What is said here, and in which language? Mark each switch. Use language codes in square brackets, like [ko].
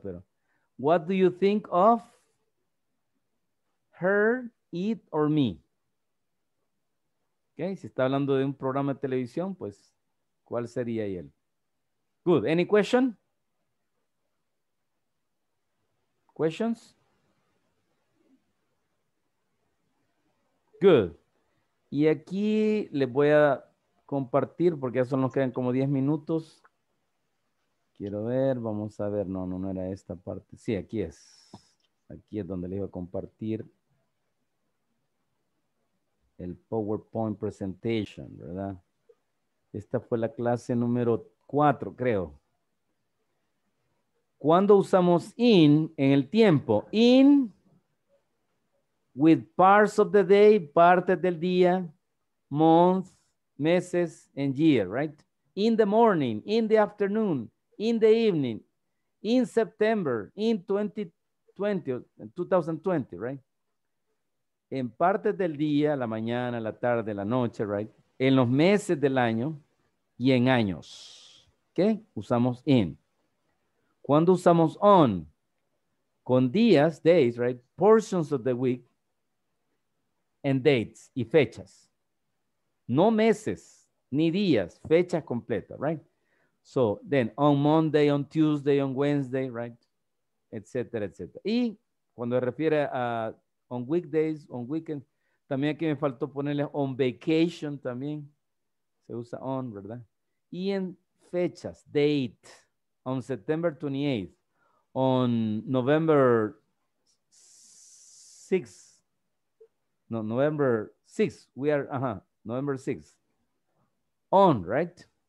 [en] Pero, what do you think of her, it, or me? [es] Okay, si está hablando de un programa de televisión, pues, ¿cuál sería él? [en] Good, any question? Questions? [es] Good. Y aquí les voy a compartir, porque ya solo nos quedan como 10 minutos. Quiero ver, vamos a ver. No, no, no era esta parte. Sí, aquí es. Aquí es donde les iba a compartir el PowerPoint presentation, ¿verdad? Esta fue la clase número 4, creo. ¿Cuándo usamos in en el tiempo? [en] In with parts of the day, [es] partes del día, [en] month, meses, and year, right? In the morning, in the afternoon, in the evening, in September, in 2020, right? [es] En partes del día, la mañana, la tarde, la noche, right? En los meses del año y en años, okay? Usamos in. ¿Cuándo usamos on? Con días, [en] days, right? Portions of the week and dates [es] y fechas. No meses, ni días, fecha completa, right? [en] So, then, on Monday, on Tuesday, on Wednesday, right? [es] Etc., etc. Y cuando se refiere a [en] on weekdays, on weekend, [es] también aquí me faltó ponerle on vacation también. Se usa on, ¿verdad? Y en fechas, date. [en] On September 28th, on November 6th, no, November 6th, we are, November 6th, on, right?